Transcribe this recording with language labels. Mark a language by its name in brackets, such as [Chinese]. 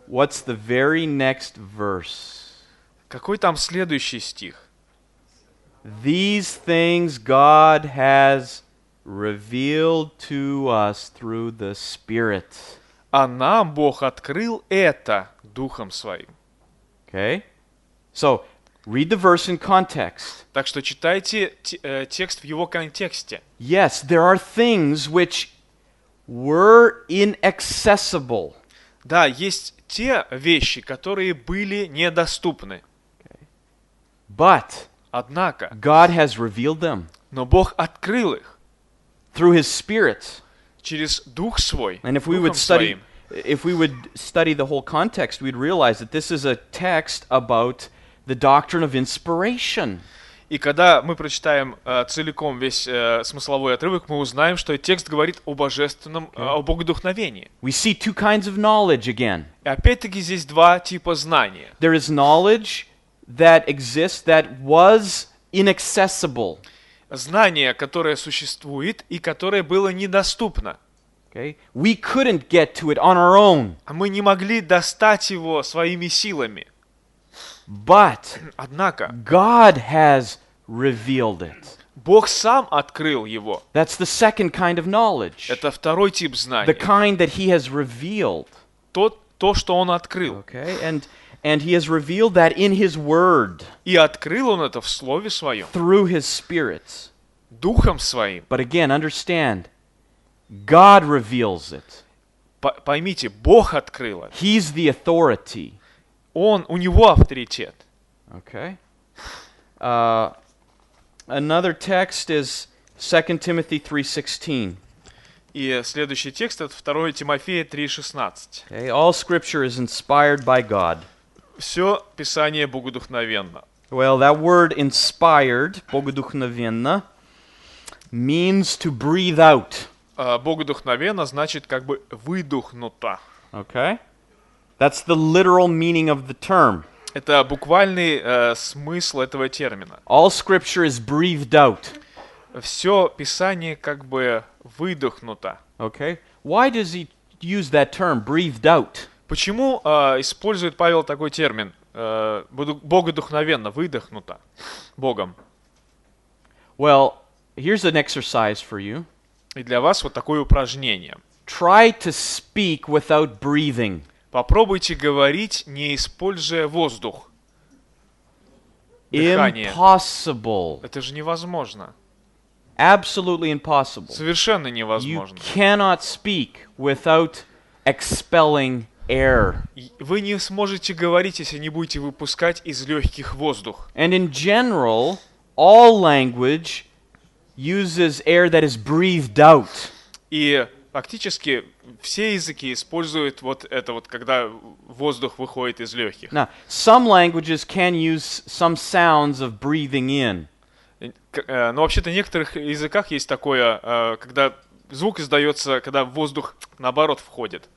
[English] what's the very next verse? [Russian] Какой там следующий стих? [English] These things God has revealed to us through the Spirit. [Russian] А нам Бог открыл это Духом Своим. [English] Okay? So, read the verse in context. [Russian] Так что читайте текст в его контексте. [English] Yes, there are things which were inaccessible. [Russian] Да, есть те вещи, которые были недоступны. [English] Okay. But [Russian] однако, [English] God has revealed them. [Russian] Но Бог открыл их. [English] Through his spirit. [Russian] Через Дух Свой. [English] And if we would study, the whole context, we'd realize that this is a text about the doctrine of inspiration. [Russian] И когда мы прочитаем целиком весь смысловой отрывок, мы узнаем, что текст говорит о божественном, о богодухновении. [English] We see two kinds of knowledge again. [Russian] И опять-таки здесь два типа знания. [English] There is knowledge that exists that was inaccessible. [Russian] Знание, которое существует и которое было недоступно. [English] Okay? We couldn't get to it on our own. [Russian] Мы не могли достать его своими силами. [English] But [Russian] однако, [English] God has revealed it. [Russian] Бог сам открыл его. [English] That's the second kind of knowledge. [Russian] Это второй тип знания. [English] The kind that he has revealed. [Russian] То, что он открыл. [English] Okay, and he has revealed that in his word. [Russian] И открыл он это в слове своем. [English] Through his spirit. [Russian] Духом своим. [English] But again, understand, God reveals it. [Russian] Поймите, Бог открыл это. [English] He's the authority. [Russian] Он, у него авторитет. [English] Okay. Another text is 2 Timothy 3:16. [Russian] И следующий текст это 2 Тимофея 3:16. [English] Okay. All scripture is inspired by God. [Russian] Все писание богодухновенно. [English] Well, that word inspired, богодухновенно, means to breathe out. [Russian] Богодухновенно значит как бы выдохнуто. [English] Okay. That's the literal meaning of the term. [Russian] Это буквальный смысл этого термина. [English] All scripture is breathed out. [Russian] Все писание как бы выдохнуто. [English] Okay. Why does he use that term, breathed out? [Russian] Почему использует Павел такой термин, богодухновенно выдохнуто Богом. [English] Well, here's an exercise for you. [Russian] И для вас вот такое упражнение. [English] Try to speak without breathing. [Russian] Попробуйте говорить, не используя воздух. Дыхание. [English] Impossible. [Russian] Это же невозможно. [English] Absolutely impossible. [Russian] Совершенно невозможно. [English] You cannot speak without expelling air. [Russian] Вы не сможете говорить, если не будете выпускать из легких воздух. [English] And in general, all language uses air that is breathed out. [Russian] И фактически все языки используют вот это вот, когда воздух выходит из легких. [English] Now, some languages can use some sounds of breathing in. [Russian] Но вообще-то в некоторых языках есть такое, когда звук издается, когда воздух наоборот входит.